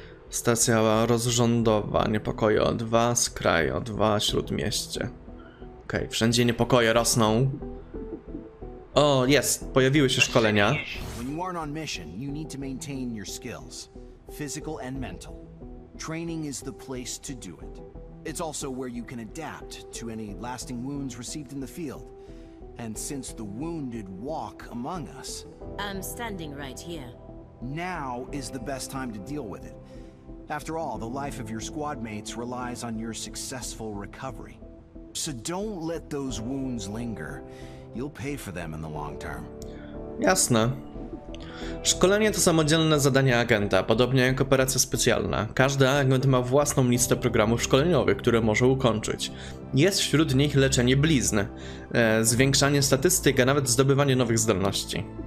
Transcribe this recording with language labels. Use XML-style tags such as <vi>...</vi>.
<pl>Stacja rozrządowa, niepokoje o 2, skraj o 2, śródmieście. Okej, okay, wszędzie niepokoje rosną. O, jest, pojawiły się szkolenia.</pl> <en>When you aren't on mission, you need to maintain your skills, physical and mental. Training is the place to do it. It's also where you can adapt to any lasting wounds received in the field. And since the wounded walk among us, I'm standing right here. Now is the best time to deal with it. After all, the life of your squad mates relies on your successful recovery. So don't let those wounds linger. You'll pay for them in the long term.</en> <pl>Jasne. Szkolenie to samodzielne zadanie agenta, podobnie jak operacja specjalna. Każdy agent ma własną listę programów szkoleniowych, które może ukończyć. Jest wśród nich leczenie blizn, zwiększanie statystyk, a nawet zdobywanie nowych zdolności.</pl>